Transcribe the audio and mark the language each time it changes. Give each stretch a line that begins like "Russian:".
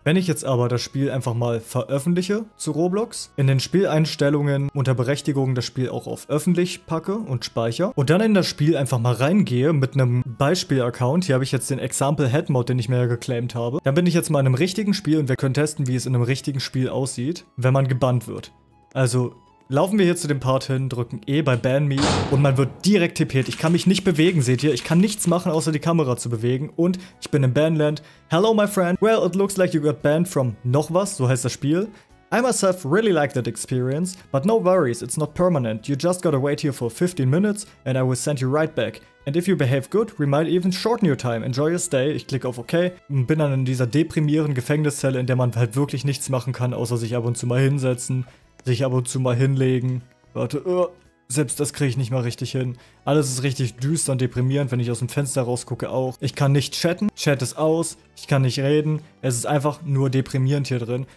German: Wenn ich jetzt aber das Spiel einfach mal veröffentliche zu Roblox, in den Spieleinstellungen unter Berechtigungen das Spiel auch auf öffentlich packe und speichere und dann in das Spiel einfach mal reingehe mit einem Beispiel-Account, hier habe ich jetzt den Example Head Mod, den ich mir ja geclaimed habe, dann bin ich jetzt mal in einem richtigen Spiel und wir können testen, wie es in einem richtigen Spiel aussieht, wenn man gebannt wird. Also laufen wir hier zu dem Part hin, drücken E bei Ban Me und man wird direkt tippiert. Ich kann mich nicht bewegen, seht ihr? Ich kann nichts machen, außer die Kamera zu bewegen und ich bin im Banland.
English: Hello, my friend. Well, it looks like you got banned from
German: noch was, so heißt das Spiel.
English: I myself really like that experience, but no worries, it's not permanent. You just gotta wait here for 15 minutes and I will send you right back. And if you behave good, we might even shorten your time. Enjoy your stay.
German: Ich klicke auf OK und bin dann in dieser deprimierenden Gefängniszelle, in der man halt wirklich nichts machen kann, außer sich ab und zu mal hinsetzen. Sich ab und zu mal hinlegen. Warte, selbst das kriege ich nicht mal richtig hin. Alles ist richtig düster und deprimierend, wenn ich aus dem Fenster rausgucke auch. Ich kann nicht chatten. Chat ist aus. Ich kann nicht reden. Es ist einfach nur deprimierend hier drin.